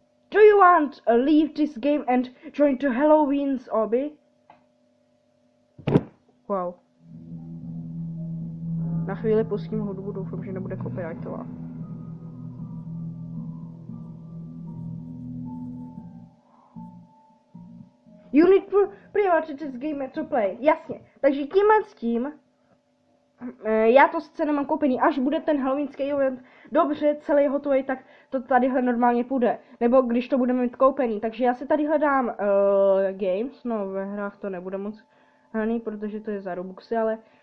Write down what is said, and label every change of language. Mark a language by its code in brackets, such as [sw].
[en] Do you want to leave this game and join to Halloween's obby? Wow. [cs] Na chvíli pustím hudbu, doufám, že nebude copyrightová. [en] You need priority to this game to play. [cs] Jasně. Takže tímhle s tím. Já to sice nemám koupený. Až bude ten halloweenský event dobře celý hotový, tak to tadyhle normálně půjde. Nebo když to budeme mít koupený. Takže já si tady hledám games. No ve hrách to nebude moc hraný, protože to je za Robuxy, ale.